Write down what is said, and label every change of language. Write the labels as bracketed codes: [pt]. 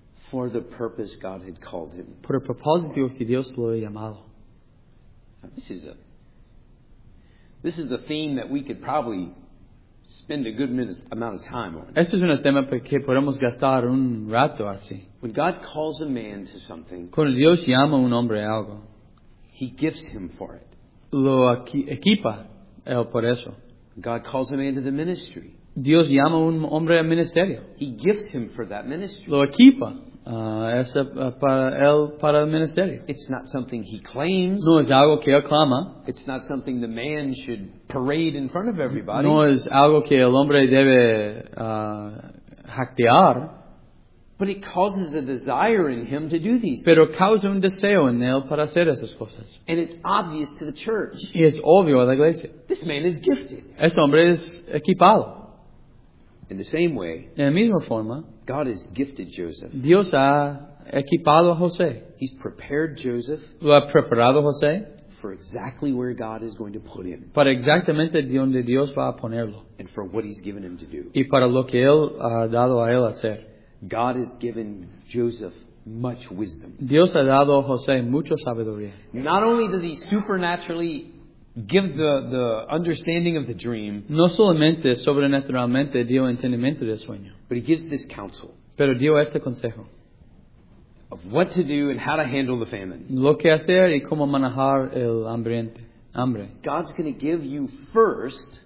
[en] for the purpose God had called him. [es] Por el propósito que Dios lo había llamado. [en] Now, this is the theme that we could probably spend a good amount of time on. [es] Este es un tema que podemos gastar un rato así. [en] When God calls a man to something, [es] cuando Dios llama a un hombre a algo, [en] He gifts him for it. [es] Lo equipa él por eso. [en] God calls a man to the ministry. [es] Dios llama a un hombre al ministerio. [en] He gifts him for that ministry. [es] Lo equipa para el ministerio. [en] It's not something he claims. [es] No es algo que aclama. [en] It's not something the man should parade in front of everybody. [es] No es algo que el hombre debe jactear. [en] But it causes a desire in him to do these things. [es] Pero causa un deseo en él para hacer esas cosas. [en] And it's obvious to the church. [es] Y es obvio a la iglesia. [en] This man is gifted. [es] Ese hombre es equipado. [en] In the same way, [es] en la misma forma, [en] God has gifted Joseph. [es] Dios ha equipado a José. [en] He's prepared Joseph. [es] Lo ha preparado José. [en] For exactly where God is going to put him. [es] Para exactamente donde Dios va a ponerlo. [en] And for what he's given him to do. [es] Y para lo que él ha dado a él hacer. [en] God has given Joseph much wisdom. [es] Dios ha dado a José mucha sabiduría. [en] Not only does he supernaturally give the understanding of the dream, [es] no solamente sobrenaturalmente dio entendimiento del sueño, [en] but he gives this counsel. [es] Pero dio este consejo. [en] Of what to do and how to handle the famine. [es] Lo que hacer y cómo manejar el hambriente. Hambre. [en] God's going to give you first.